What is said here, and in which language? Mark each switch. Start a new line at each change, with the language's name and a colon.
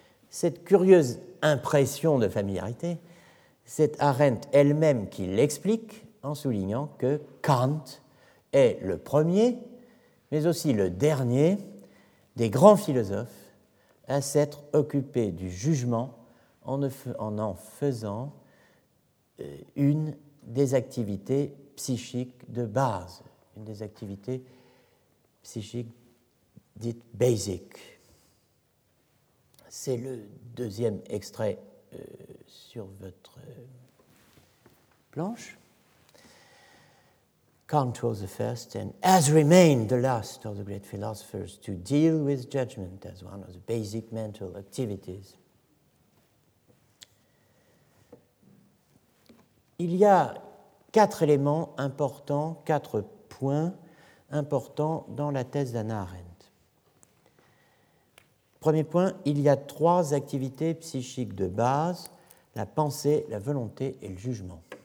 French: Cette curieuse impression de familiarité, c'est Arendt elle-même qui l'explique en soulignant que Kant est le premier, mais aussi le dernier, des grands philosophes à s'être occupé du jugement en faisant une des activités psychiques de base, une des activités psychiques dites « basic ». C'est le deuxième extrait sur votre planche.
English: Kant was the first and has remained the last of the great philosophers to deal with judgment as one of the basic mental activities.
French: Il y a quatre éléments importants, quatre points importants dans la thèse d'Hannah Arendt. Premier point, il y a trois activités psychiques de base, la pensée, la volonté et le jugement.